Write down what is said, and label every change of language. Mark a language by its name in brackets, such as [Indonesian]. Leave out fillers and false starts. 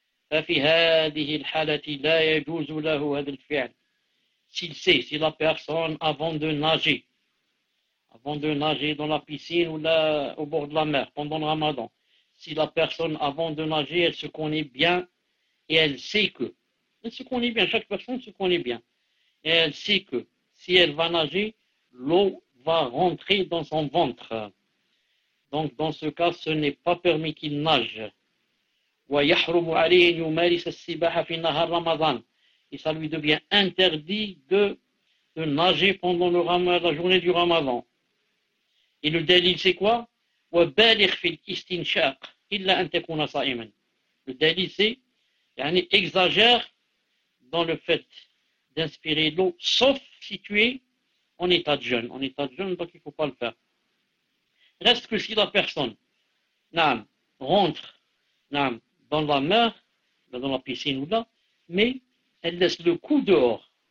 [Arabic] ففي هذه الحالة لا يجوز له هذا الفعل. [French] S'il sait, si la personne avant de nager dans la piscine au bord de la mer pendant le ramadan, si la personne avant de nager, elle se connaît bien et elle sait que, elle se connaît bien, chaque personne se connaît bien, et elle sait que si elle va nager, l'eau va rentrer dans son ventre. Donc dans ce cas, ce n'est pas permis qu'il nage. [Arabic] ويحرم عليه أن يمارس السباحة في نهار رمضان. [French] Et ça lui devient interdit de nager pendant la journée du Ramadan. Et le dalil c'est quoi? [Arabic] وبالغ في الاستنشاق إلا أن تكون صائما. [French] Le dalil c'est, exagère dans le fait d'inspirer l'eau, sauf si tu es en état de jeûne. En état de jeûne, donc il ne faut pas le faire. Reste que si la personne, rentre, dans la mer, dans la piscine ou là, mais elle laisse le cou dehors.